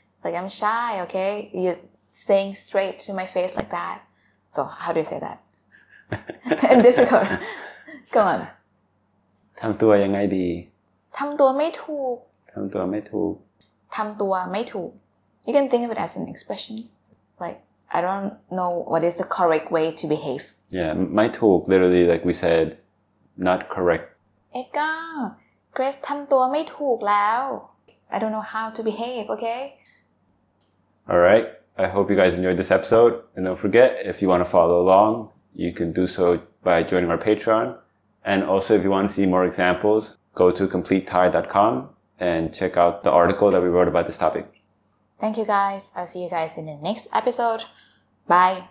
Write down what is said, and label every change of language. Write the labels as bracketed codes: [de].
[en] Like, I'm shy, okay? You're saying straight to my face like that. So how do you say that? Difficult. [th] ก่อน ทำตัวยังไงดี ทำตัวไม่ถูก ทำตัวไม่ถูก ทำตัวไม่ถูก [en] You can think of it as an expression like I don't know what is the correct way to behave Yeah ไม่ถูก literally like we said not correct [th] เอก้าเกรซทำตัวไม่ถูกแล้ว [en] I don't know how to behave okay All right I hope you guys enjoyed this episode and don't forget if you want to follow along you can do so by joining our Patreon and also if you want to see more examples go to completethai.com and check out the article that we wrote about this topic Thank you guys I'll see you guys in the next episode Bye